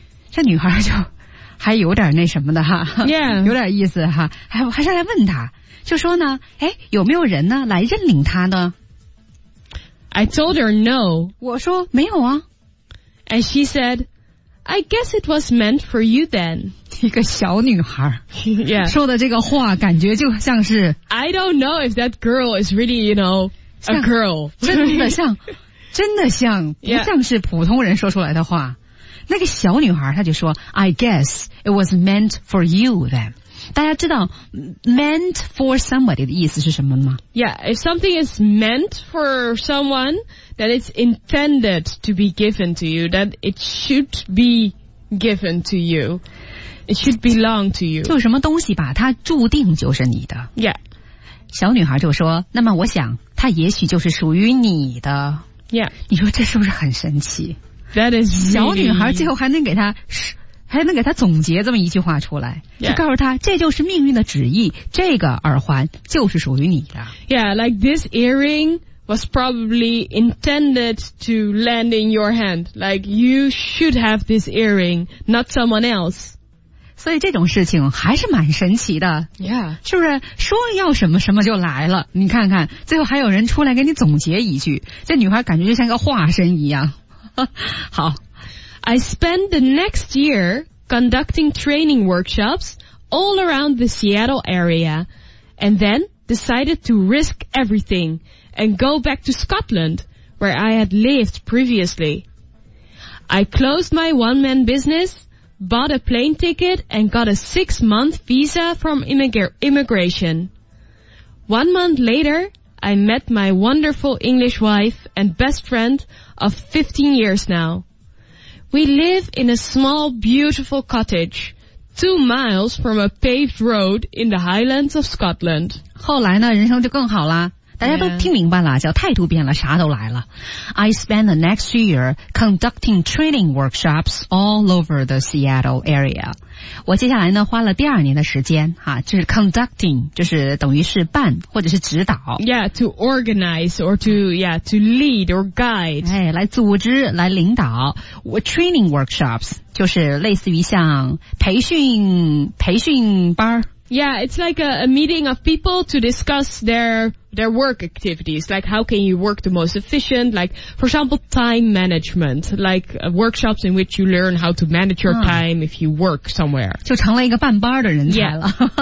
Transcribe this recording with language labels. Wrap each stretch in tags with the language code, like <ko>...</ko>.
<zh>这女孩就还有点那什么的哈、</zh> <en>yeah.</en> <zh>有点意思哈，还是来问她，就说呢，有没有人呢来认领她呢？</zh> <en>I told her no.</en> <zh>我说没有啊。</zh> <en>And she said,I guess it was meant for you then.</en> <zh>一个小女孩、</zh> <en>yeah.</en> <zh>说的这个话感觉就像是</zh> <en>I don't know if that girl is really, you know, a girl.</en> <zh>真的像不像是普通人说出来的话、yeah. 那个小女孩她就说</zh> <en>I guess it was meant for you then.</en> <zh>大家知道</zh> <en>meant for somebody</en> <zh>的意思是什么吗？</zh> <en>Yeah, if something is meant for someoneThat it's intended to be given to you, that it should be given to you, it should belong to you.</en> <zh>就什么东西吧，它注定就是你的。</zh> <en>Yeah.</en> <zh>小女孩就说，那么我想，它也许就是属于你的。</zh> <en>Yeah.</en> <zh>你说这是不是很神奇？</zh> <en>That is really...</en> <zh>小女孩最后还能给她总结这么一句话出来、</zh> <en>yeah.</en> <zh>就告诉她这就是命运的旨意，这个耳环就是属于你的。</zh> <en>Yeah, like this earring... was probably intended to land in your hand. Like, you should have this earring, not someone else.</en> <zh>所以这种事情还是蛮神奇的。</zh> <en>Yeah.</en> <zh>是不是说要什么什么就来了，你看看最后还有人出来给你总结一句，这女孩感觉就像个化身一样。好。</zh> <en>I spent the next year conducting training workshops all around the Seattle area and then decided to risk everything. And go back to Scotland, where I had lived previously. I closed my one-man business, bought a plane ticket, and got a six-month visa from immigration. 1 month later, I met my wonderful English wife and best friend of 15 years now. We live in a small, beautiful cottage, 2 miles from a paved road in the highlands of Scotland.</en> <zh>后来呢，人生就更好啦。大家都听明白了，叫态度变了，啥都来了。</zh> <en>I spent the next year conducting training workshops all over the Seattle area.</en> <zh>我接下来呢花了第二年的时间哈、就是 conducting, 就是等于是办或者是指导。</zh> <en>Yeah, to organize or to, yeah, to lead or guide.</en> <zh>来组织来领导。</zh> <en>Training workshops,</en> <zh>就是类似于像培训班。</zh> <en>Yeah, it's like a meeting of people to discuss their their work activities, like how can you work the most efficient, like, for example, time management, like workshops in which you learn how to manage your time if you work somewhere.</en> <zh>就成了一个半班的人才了。</zh>